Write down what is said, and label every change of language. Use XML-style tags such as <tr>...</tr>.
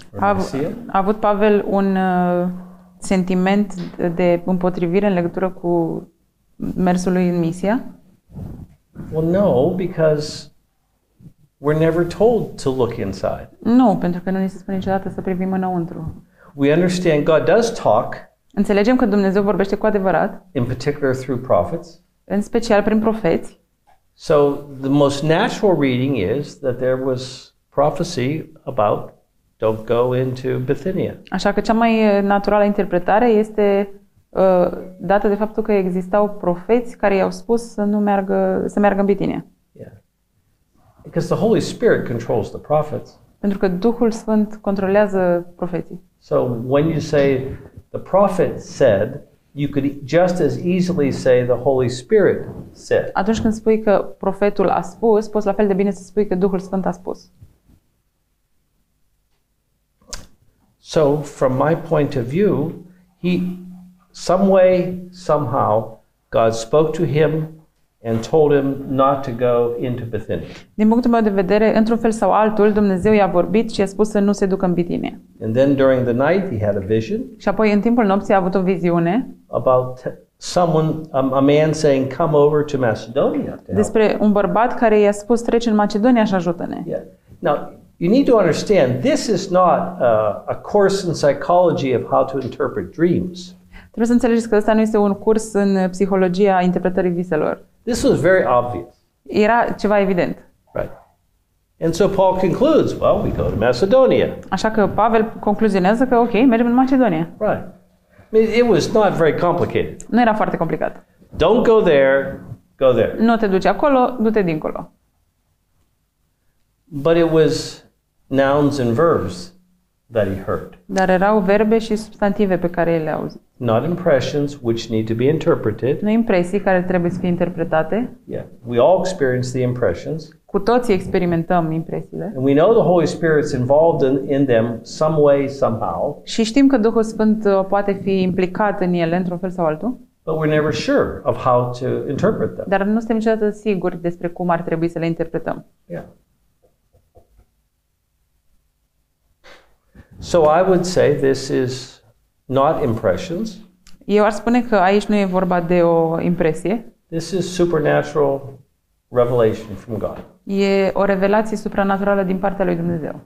<ro>A avut Pavel un sentiment de împotrivire în legătură cu mersul lui în Misia?</ro> <en>Well, no, because we're never told to look inside.</en> <ro>Nu, pentru că nu ni se spune niciodată să privim înăuntru.</ro> <en>We understand God does talk.</en> <ro>Înțelegem că Dumnezeu vorbește cu adevărat.</ro> <en>In particular through prophets.</en> <ro>În special prin profeți.</ro> <en>So the most natural reading is that there was prophecy about don't go into Bithynia.</en> <ro>Așa că cea mai naturală interpretare este dată de faptul că existau profeți care i-au spus să nu meargă, să meargă în Bithynia.</ro> <en>Yeah. Because the Holy Spirit controls the prophets.</en> <ro>Pentru că Duhul Sfânt controlează profeții.</ro> <en>So when you say the prophet said, you could just as easily say the Holy Spirit said.</en> <ro>Atunci când spui că profetul a spus, poți la fel de bine să spui că Duhul Sfânt a spus.</ro> <en>So from my point of view, he some way somehow God spoke to him and told him not to go into Bithynia.</en> <ro>Din punctul meu de vedere, într-un fel sau altul, Dumnezeu i-a vorbit și i-a spus să nu se ducă în Bithynia.</ro> <en>And then during the night he had a vision.</en> <ro>Și apoi în timpul nopții a avut o viziune.</ro> <en>About someone, a man saying, come over to Macedonia.</en> <ro>Despre un bărbat care i-a spus treci în Macedonia și ajută-ne.</ro> <en>Yeah. Now, you need to understand this is not a course in psychology of how to interpret dreams.</en> <ro>Trebuie să înțelegeți că ăsta nu este un curs în psihologia interpretării viselor.</ro> <en>This was very obvious.</en> <ro>Era ceva evident.</ro> <en>Right. And so Paul concludes, well, we go to Macedonia.</en> <ro>Așa că Pavel concluzionează că ok, mergem în Macedonia.</ro> <en>Right. I mean, it was not very complicated.</en> <ro>Nu era foarte complicat.</ro> <en>Don't go there, go there.</en> <ro>Nu te duci acolo, du-te dincolo.</ro> <en>But it was nouns and verbs that he heard.</en> <ro>Dar erau verbe și substantive pe care le auzi.</ro> <en>Not impressions which need to be interpreted.</en> <ro>Nu impresii care trebuie să fie interpretate.</ro> <en>Yeah. We all experience the impressions.</en> <ro>Cu toții experimentăm impresiile.</ro> <en>And we know the Holy Spirit's involved in them some way somehow.</en> <ro>Și știm că Duhul Sfânt poate fi implicat în ele într-un fel sau altul.</ro> <en>But we're never sure of how to interpret them.</en> <ro>Dar nu suntem niciodată siguri despre cum ar trebui să le interpretăm.</ro> <en>Yeah. So I would say this is not impressions.</en> <ro>Eu aș spune că aici nu e vorba de o impresie.</ro> <en>This is supernatural revelation from God.</en> <ro>E o revelație supranaturală din partea lui Dumnezeu.</ro>